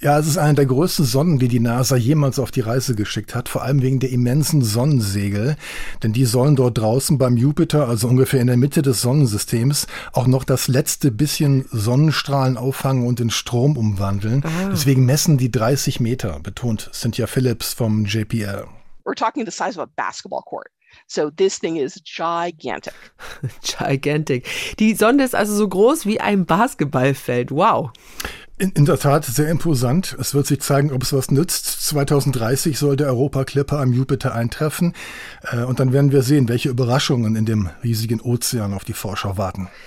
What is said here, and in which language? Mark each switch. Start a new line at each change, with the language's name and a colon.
German: Ja, es ist eine der größten Sonden, die die NASA jemals auf die Reise geschickt hat, vor allem wegen der immensen Sonnensegel. Denn die sollen dort draußen beim Jupiter, also ungefähr in der Mitte des Sonnensystems, auch noch das letzte bisschen Sonnenstrahlen auffangen und in Strom umwandeln. Ah. Deswegen messen die 30 Meter, betont Cynthia Phillips vom JPL.
English: We're talking the size of a basketball court. So this thing is gigantic. Gigantic.
German: Die Sonde ist also so groß wie ein Basketballfeld. Wow. In der Tat sehr imposant. Es wird sich zeigen, ob es was nützt. 2030 soll der Europa-Clipper am Jupiter eintreffen. Und dann werden wir sehen, welche Überraschungen in dem riesigen Ozean auf die Forscher warten.